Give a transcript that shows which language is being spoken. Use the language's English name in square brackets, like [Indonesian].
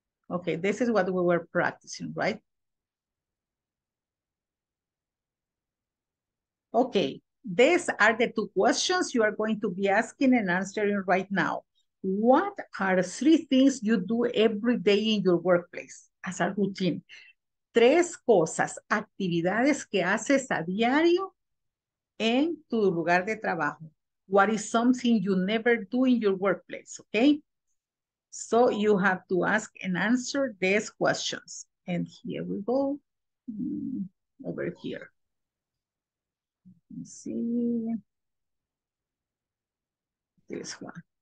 [English] Okay, this is what we were practicing, right? Okay, these are the two questions you are going to be asking and answering right now. What are 3 things you do every day in your workplace as a routine? [Spanish] 3 cosas, actividades que haces a diario en tu lugar de trabajo. [English] What is something you never do in your workplace, okay? So you have to ask and answer these questions. And here we go, over here. Let's see, this one.